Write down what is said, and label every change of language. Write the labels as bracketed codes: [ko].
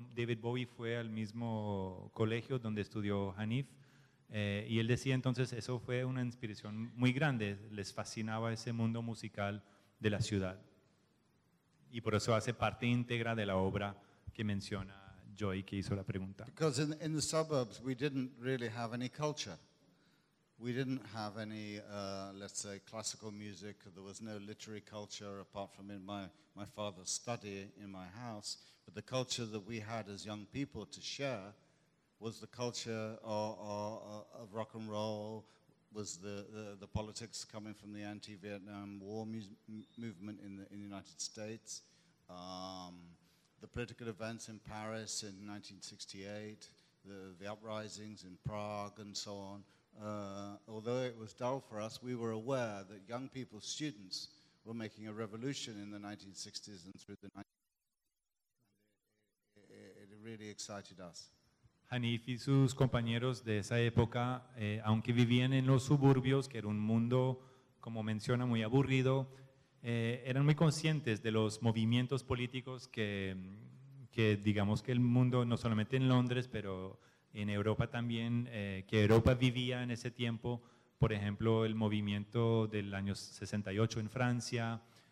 [es] David Bowie fue al mismo colegio donde estudió Hanif, y él decía entonces, eso fue una inspiración muy grande, les fascinaba ese mundo musical de la ciudad. Y por eso hace parte íntegra de la obra que menciona Joy, que hizo la pregunta. [en] Because in the suburbs we didn't really have any culture. We didn't have any, let's say, classical music. There was no literary culture apart from in my father's study in my house. But the culture that we had as young people to share was the culture of rock and roll, was the politics coming from the anti-Vietnam War movement in the United States, the political events in Paris in 1968, the uprisings in Prague and so on. Although it was dull for us, we were aware that young people, students, were making a revolution in the 1960s and through the 1970s. It really excited us. [es] Hanif y sus compañeros de esa época, aunque vivían en los suburbios, que era un mundo, como menciona, muy aburrido, eran muy conscientes de los movimientos políticos que digamos que el mundo, no solamente en Londres, pero en Europa también, que Europa vivía en ese tiempo, por ejemplo, el movimiento del año 68 en Francia,